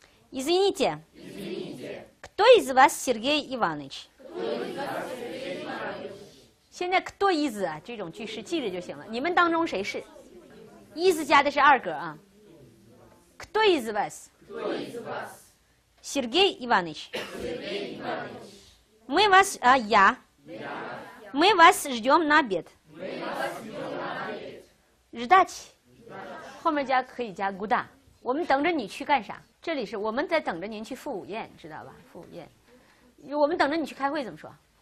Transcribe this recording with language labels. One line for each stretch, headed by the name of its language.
Russian: Извините, кто из вас Сергей Иванович?
Chinese: 现在 кто из 啊这种句式记着就行了。你们当中谁是 ？из 加的是二格啊。 Кто из вас？
Russian: Сергей Иванович, мы вас, я, мы вас ждем на обед. Ждать.
Chinese: 后面加可以加 гуда. 我们等着你去干啥？这里是我们在等着您去赴午宴，知道吧？赴午宴。我们等着你去开会怎么说？